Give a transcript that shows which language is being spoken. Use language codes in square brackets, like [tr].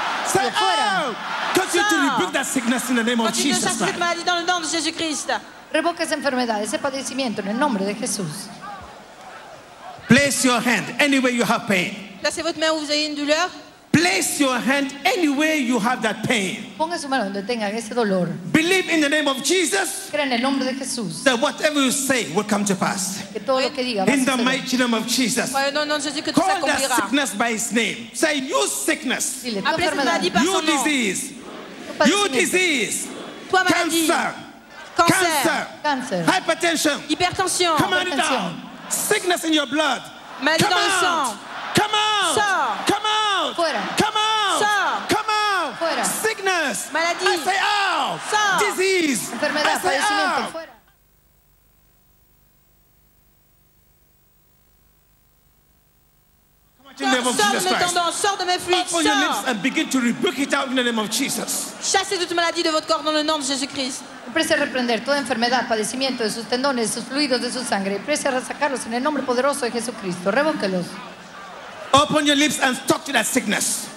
[en] Continue to rebuke that sickness in the name of Jesus. Continue to rebuke that sickness in the name of Jesus. [es] Revoca esa enfermedad, ese padecimiento en el nombre de Jesús. [en] Place your hand anywhere you have pain. [fr] Placez votre main où vous avez une douleur. [en] Place your hand anywhere you have that pain. [es] Ponga su mano donde tenga ese dolor. [en] Believe in the name of Jesus. [es] Crea en el nombre de Jesús. [en] That whatever you say will come to pass. [es] Que todo lo que diga va a suceder. [en] In the mighty name of Jesus. Call that sickness by his name. Say, you sickness. [fr] Appelez cette maladie par son nom. [en] You disease. You disease. [fr] Toi maladie. [en] Cancer. Hypertension. Hypertension. Come on down. Sickness in your blood. [fr] Maladie dans le sang. [en] Come out. [fr] Sort. [en] Come out. [es] Fuera. [en] Come out. [fr] Sort. [en] Come out. [es] Fuera. [en] Sickness. [fr] Maladie. [en] I say out. [fr] Sort. [en] Disease. [es] Enfermedad. [en] I say [es] padecimiento. [en] Out. [es] Fuera. [fr] Sors de mes fluides. [en] Open your lips and begin to rebuke it out in the name of Jesus. [fr] Chassez toute maladie de votre corps dans le nom de Jésus-Christ. [es] Empiece a reprender toda enfermedad, padecimiento de sus tendones, de sus fluidos, de su sangre. Empiece a sacarlos en el nombre poderoso de Jesucristo. Revóquelos. [en] Open your lips and talk to that sickness.